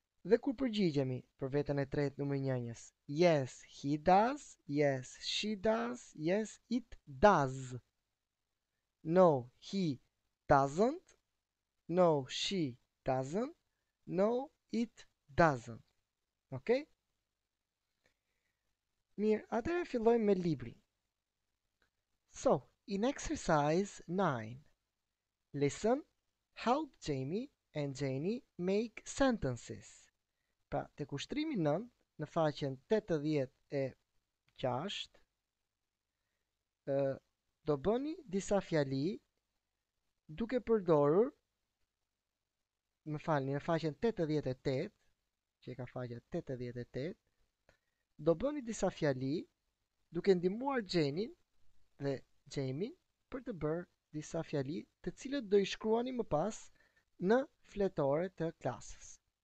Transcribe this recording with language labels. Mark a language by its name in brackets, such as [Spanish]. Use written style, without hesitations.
[Albanian] Dhe kur përgjigjemi për veten e tretë numër njënjës, [English] yes, he does, yes, she does, yes, it does. No, he doesn't, no, she doesn't, no, it doesn't. Ok? [Albanian] Mirë, atëherë fillojmë me librin. [English] So, in exercise 9, listen, help Jamie and Janie make sentences. [Albanian] Pra, te kushtrimi 9, në faqen 86, do bëni disa fjali duke përdorur, më falni, në faqen 88, që ka faqen 88, do bëni disa fjali duke ndihmuar Jenin dhe Jamie për të bërë disa fjali të cilët do i shkruani më pas në fletore të klasës.